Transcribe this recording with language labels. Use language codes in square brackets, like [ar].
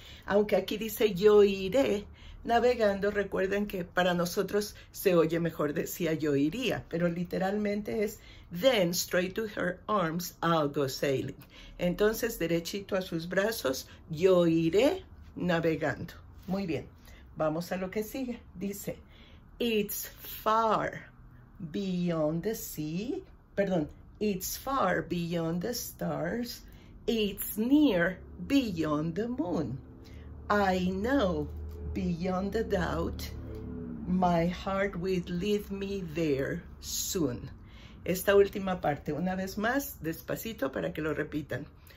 [es] Aunque aquí dice yo iré navegando, recuerden que para nosotros se oye mejor decía yo iría, pero literalmente es [en] then straight to her arms I'll go sailing. [es] Entonces, derechito a sus brazos, yo iré navegando. Muy bien, vamos a lo que sigue. [en] Dice, it's far beyond the sea, perdón, it's far beyond the stars, it's near beyond the moon. I know beyond a doubt, my heart will lead me there soon. [es] Esta última parte, una vez más, despacito para que lo repitan.